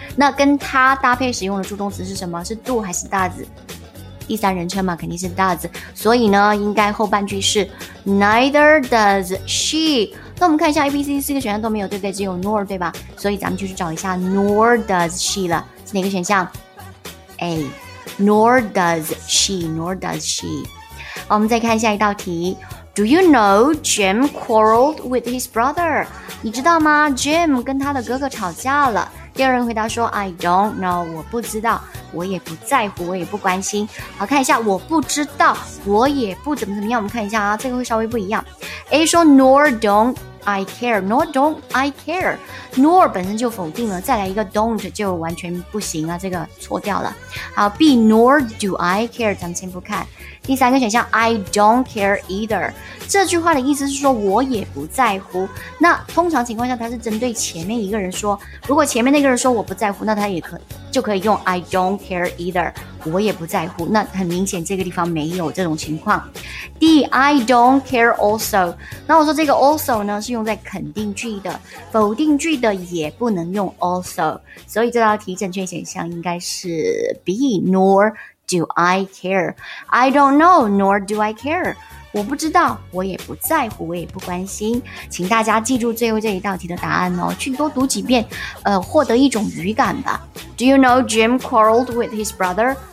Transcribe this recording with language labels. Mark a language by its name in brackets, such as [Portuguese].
[Chinese] 那跟他搭配使用的助动词是什么？是 do 还是 does？第三人称嘛，肯定是 does， 所以呢应该后半句是 [English] neither does she。 [Chinese] 那我们看一下 ABC 四个选项都没有，对不对？只有 nor， 对吧？所以咱们就去找一下 [English] nor does she [Chinese] 了，是哪个选项？ [English] A nor does she， nor does she。 [Chinese] 好，我们再看下一道题。 [English] Do you know Jim quarreled with his brother？ [Chinese] 你知道吗？ Jim 跟他的哥哥吵架了。第二人回答说 [English] I don't know， [Chinese] 我不知道，我也不在乎，我也不关心。好，看一下，我不知道，我也不怎么怎么样。我们看一下啊，这个会稍微不一样。 A 说 [English] nor don't I care， nor don't I care， [Chinese] nor 本身就否定了，再来一个 don't 就完全不行啊，这个错掉了。好， B [English] nor do I care， [Chinese] 咱们先不看。第三个选项 [English] I don't care either， [Chinese] 这句话的意思是说我也不在乎。那通常情况下它是针对前面一个人说，如果前面那个人说我不在乎，那他也就可以用 [English] I don't care either， [Chinese] 我也不在乎。那很明显这个地方没有这种情况。 D [English] I don't care also， [Chinese] 那我说这个 also 呢是用在肯定句的，否定句的也不能用 also， 所以这道题正确选项应该是 B [English] nor do I care， I don't know nor do I care， [Chinese] 我不知道，我也不在乎，我也不关心。请大家记住最后这一道题的答案哦，去多读几遍，获得一种语感吧。 [English] Do you know Jim quarreled with his brother?